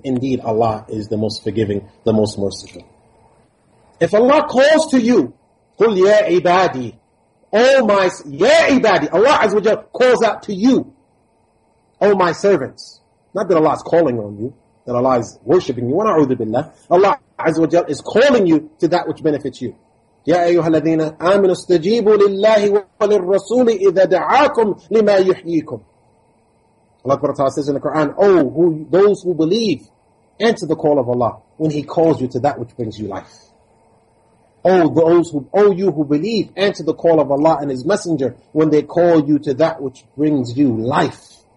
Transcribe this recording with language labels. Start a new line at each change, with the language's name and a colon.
English: Indeed, Allah is the most forgiving, the most merciful. If Allah calls to you,
Arabic: قُلْ يَا عِبَادِي,
English: oh my,
Arabic: يَا عِبَادِي,
English: Allah Azza wa Jalla calls out to you, oh my servants. Not that Allah is calling on you, that Allah is worshipping you.
Arabic: وَنَعُوذُ بِاللَّهِ.
English: Allah Azza wa Jalla is calling you to that which benefits you.
Arabic: يا أيها الذين آمنوا استجيبوا لله وللرسول إذا دعاكم لما يحييكم.
English: Allah says in the Quran, those who believe, answer the call of Allah when He calls you to that which brings you life. Oh, you who believe, answer the call of Allah and His Messenger when they call you to that which brings you life.